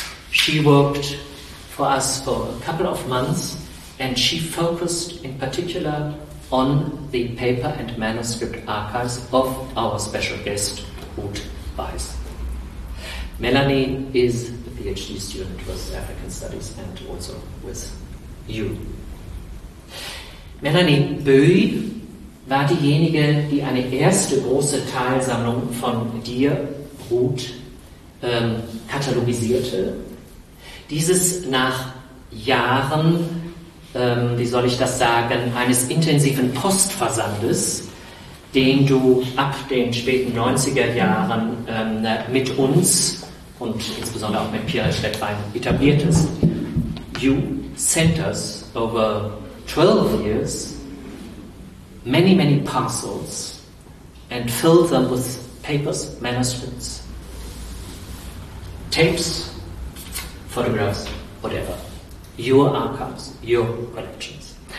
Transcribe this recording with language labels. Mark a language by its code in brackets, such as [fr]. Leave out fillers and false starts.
[en] She worked for us for a couple of months, and she focused in particular on the paper and manuscript archives of our special guest, Ruth Weiss. Melanie is a PhD student with African Studies and also with you. [de] Melanie Böhi war diejenige, die eine erste große Teilsammlung von dir, Ruth, katalogisierte. Dieses nach Jahren, wie soll ich das sagen, eines intensiven Postversandes, den du ab den späten 90er Jahren mit uns und insbesondere auch mit Pierre Stettwein etabliertest. [en] You sent us over 12 years many, many parcels and filled them with papers, manuscripts, tapes, photographs, whatever, your archives, your collections.